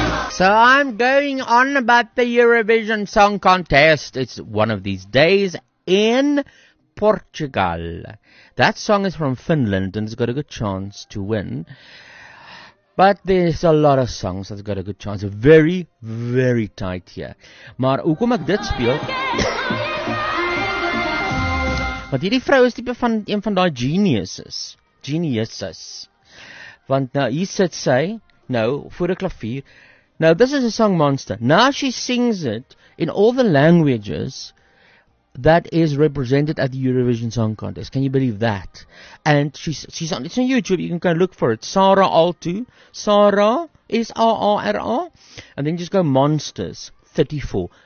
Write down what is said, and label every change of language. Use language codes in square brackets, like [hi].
[en] So I'm going on about the Eurovision Song Contest. It's one of these days in Portugal. That song is from Finland and it's got a good chance to win. But there's a lot of songs that's got a good chance. Very, very tight here. [af] Maar hoekom ek dit speel? Want hierdie vrou is tipe van een van daai geniuses. [en] Geniuses. [af] Want nou hier sit sy, nou, voor 'n klavier. [en] Now, this is a song monster. Now she sings it in all the languages that is represented at the Eurovision Song Contest. Can you believe that? And she's on, it's on YouTube. You can go look for it. Sarah Altu. Sarah is A-R-R-A. And then just go Monsters 34.